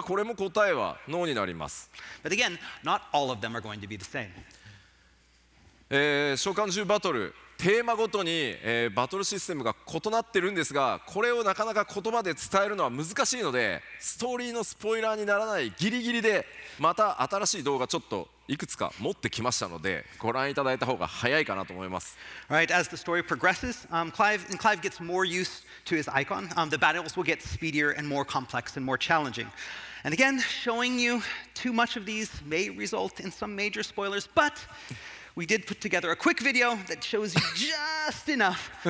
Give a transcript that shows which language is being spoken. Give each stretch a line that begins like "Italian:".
Japanese: じゃあイベントバトルなのかというと、やっぱこれも答えはノーになります。
English: But again, not all of them are going to be the same.
Japanese: 召喚獣バトル、テーマごとに、バトルシステムが異なってるんですが、これをなかなか言葉で伝えるのは難しいので、ストーリーのスポイラーにならないギリギリで、また新しい動画ちょっといくつか持ってきましたので、ご覧いただいた方が早いかなと思います。
English: Right, as the story progresses, Clive gets more used to his icon. The battles will get speedier and more complex and more challenging. And again, showing you too much of these may result in some major spoilers, but we did put together a quick video that shows you just enough.